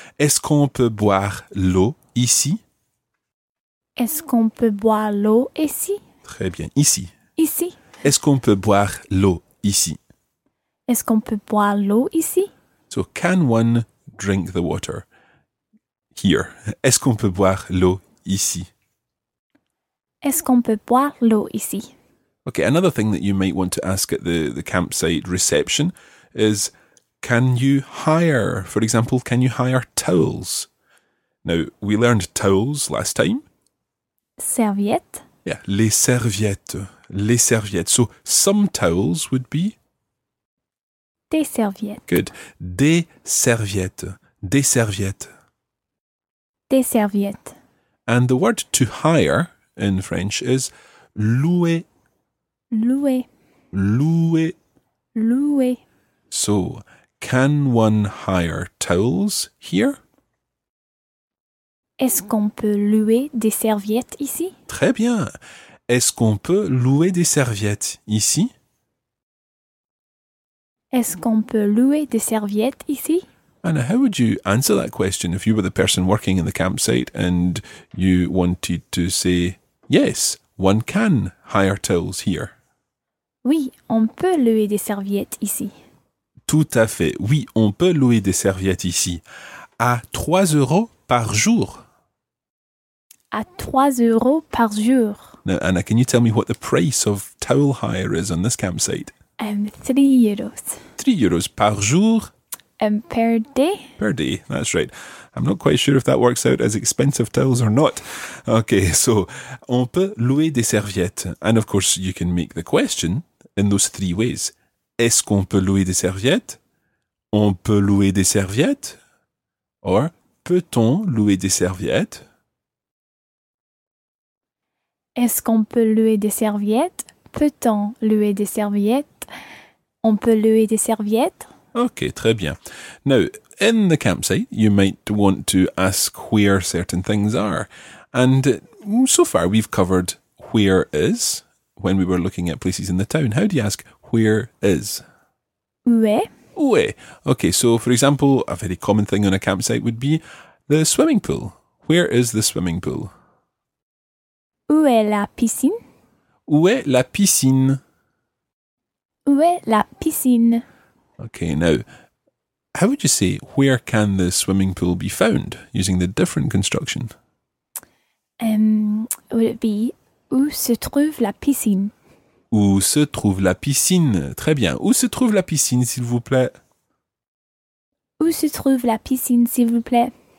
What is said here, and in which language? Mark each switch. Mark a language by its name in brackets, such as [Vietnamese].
[French] Est-ce qu'on peut boire l'eau ici? Est-ce qu'on peut boire l'eau ici? Très bien. Ici. Ici. Est-ce qu'on peut boire l'eau ici? Est-ce qu'on peut boire l'eau ici? [English] So, can one drink the water here? [French] Est-ce qu'on peut boire l'eau ici? Est-ce qu'on peut boire l'eau ici? [English] Okay, another thing that you might want to ask at the campsite reception is, can you hire, for example, can you hire towels? Now, we learned towels last time. [French] Serviettes. [English] Yeah, [French] les serviettes. Les serviettes. [English] So, some towels would be? [French] Des serviettes. Good. Des serviettes. Des serviettes. Des serviettes. [English] And the word to hire in French is louer. [French] Louer. Louer. Louer. [English] So, can one hire towels here? [French] Est-ce qu'on peut louer des serviettes ici? Très bien. Est-ce qu'on peut louer des serviettes ici? Est-ce qu'on peut louer des serviettes ici? [English] Anna, how would you answer that question if you were the person working in the campsite and you wanted to say, yes, one can hire towels here? [French] Oui, on peut louer des serviettes ici. Tout à fait. Oui, on peut louer des serviettes ici. À 3 euros par jour. À 3 euros par jour. [English] Now, Anna, can you tell me what the price of towel hire is on this campsite? [French] 3 euros. 3 euros par jour. [English] Per day. Per day, that's right. I'm not quite sure if that works out as expensive towels or not. [French] Okay, so, on peut louer des serviettes. [English] And of course, you can make the question in those three ways. [French] Est-ce qu'on peut louer des serviettes? On peut louer des serviettes? Or, peut-on louer des serviettes? Est-ce qu'on peut louer des serviettes? Peut-on louer des serviettes? On peut louer des serviettes? Okay, très bien. [English] Now, in the campsite, you might want to ask where certain things are. And so far, we've covered where is when we were looking at places in the town. How do you ask where is? [French] Où est? Où est? [English] Okay, so for example, a very common thing on a campsite would be the swimming pool. Where is the swimming pool? [French] Où est la piscine? Où est la piscine? Où est la piscine? [English] Okay, now, how would you say, where can the swimming pool be found, using the different construction? Would it be, [French] où se trouve la piscine? Où se trouve la piscine? Très bien. Où se trouve la piscine, s'il vous plaît? Où se trouve la piscine, s'il vous plaît?